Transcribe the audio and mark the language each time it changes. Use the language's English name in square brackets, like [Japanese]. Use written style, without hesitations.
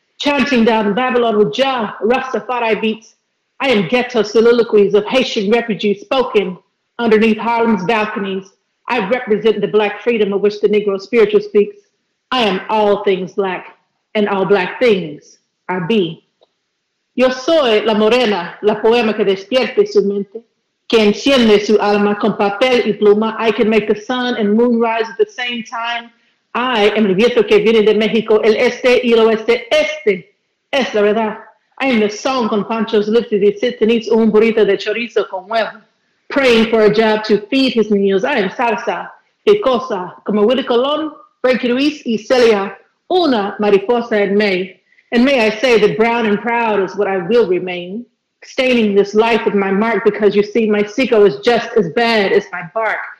[English] Chanting down Babylon with Jah, Rastafari beats. I am ghetto soliloquies of Haitian refugees spoken underneath Harlem's balconies. I represent the black freedom of which the Negro spiritual speaks. I am all things black, and all black things are be. [Spanish] Yo soy la morena, la poema que despierte su mente, que enciende su alma con papel y pluma. [English] I can make the sun and moon rise at the same time. I am [Spanish] el viento que viene de México, el este y el oeste, este, es la verdad. [English] I am the song con Pancho's lips as he sits and eats [Spanish] un burrito de chorizo con huevo, [English] praying for a job to feed his niños. I am [Spanish] salsa, picosa, como Willy Colón, Frankie Ruiz y Celia, una mariposa en May. [English] And may I say that brown and proud is what I will remain, staining this life with my mark because you see my sico is just as bad as my bark.